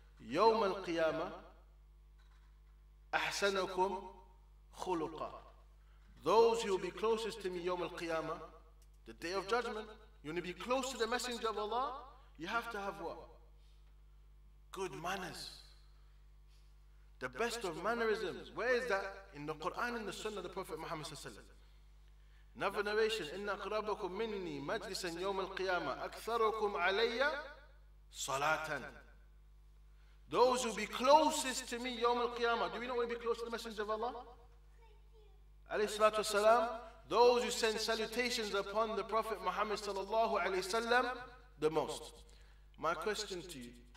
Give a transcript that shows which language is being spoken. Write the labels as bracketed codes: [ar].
[ar] يوم القيامة أحسنكم خلقا. [en] Those who will be closest to me يوم القيامة, the day of judgment, you want to be close to the Messenger of Allah, you have to have what? Good manners. The best of mannerisms. Where is that? In the Quran and the Sunnah of the Prophet Muhammad sallallahu alaihi wasallam. Another narration, [ar] إن أقربكم مني مجلسا يوم القيامة أكثركم علي صلاة. [en] Those who be closest to me, Yawm al-Qiyamah. Do we not want to be close to the Messenger of Allah? Alayhi salatu wasalam. Those who send salutations upon the Prophet Muhammad sallallahu alayhi wasallam the most. My question to you.